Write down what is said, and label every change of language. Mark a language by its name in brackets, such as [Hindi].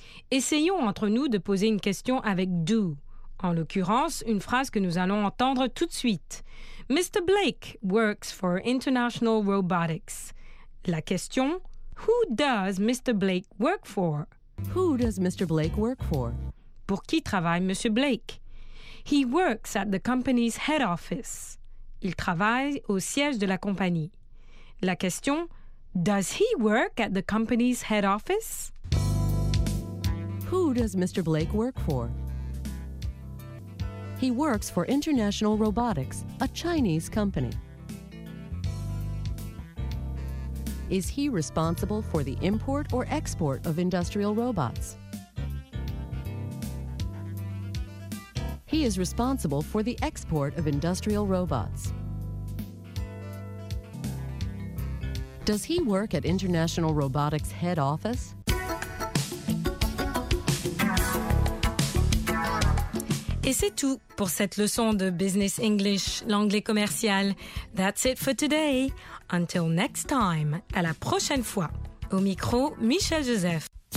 [French] Essayons entre nous de poser une question avec « do », en l'occurrence, une phrase que nous allons entendre tout de suite. [English] « Mr. Blake works for International Robotics ». [French] La question [English] « Who does Mr. Blake work for ?»« Who does Mr. Blake work for ?» [French] Pour qui travaille M. Blake ?« [English] He works at the company's head office ». [French] Il travaille au siège de la compagnie. La question [English] « Does he work at the company's head office ?» Who does Mr. Blake work for? He works for International Robotics, a Chinese company. Is he responsible for the import or export of industrial robots? He is responsible for the export of industrial robots. Does he work at International Robotics' head office? [French] Et c'est tout pour cette leçon de Business English, l'anglais commercial. [English] That's it for today. Until next time, [French] à la prochaine fois. Au micro, Michel Joseph.